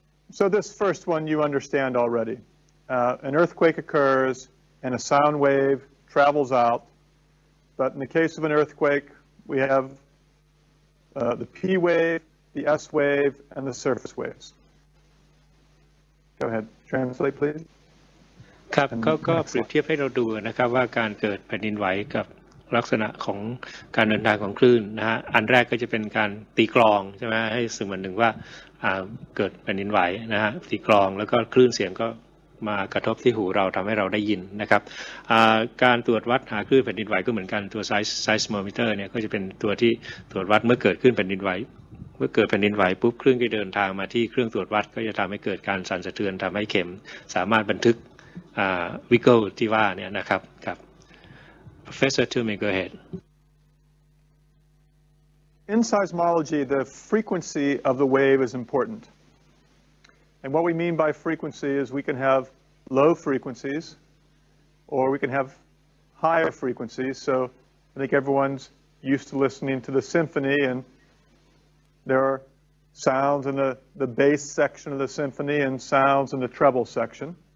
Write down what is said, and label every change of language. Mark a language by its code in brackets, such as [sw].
[en] So this first one you understand already. An earthquake occurs and a sound wave travels out. But in the case of an earthquake, we have the P wave, the S wave, and the surface waves. Go ahead, translate please. [th] ครับ ก็ ก็ เปรียบเทียบให้เราดูนะครับว่าการเกิดแผ่นดินไหวกับลักษณะของการเดินทางของคลื่นนะฮะอันแรกก็จะเป็นการตีกลองใช่ไหมให้สื่อมันหนึ่งว่า เกิดแผ่นดินไหวนะฮะตีกลองแล้วก็คลื่นเสียงก็มากระทบที่หูเราทำให้เราได้ยินนะครับการตรวจวัดหาคลื่นแผ่นดินไหวก็เหมือนกันตัวไซส์โมมิเตอร์เนี่ยก็จะเป็นตัวที่ตรวจวัดเมื่อเกิดขึ้นแผ่นดินไหวเมื่อเกิดแผ่นดินไหวปุ๊บคลื่นก็เดินทางมาที่เครื่องตรวจวัดก็จะทำให้เกิดการสั่นสะเทือนทำให้เข็มสามารถบันทึกวิกเกิลที่ว่าเนี่ยนะครับครับ [en] Professor Toomey, go ahead. In seismology, the frequency of the wave is important. And what we mean by frequency is we can have low frequencies or we can have higher frequencies. So I think everyone's used to listening to the symphony and there are sounds in the bass section of the symphony and sounds in the treble section.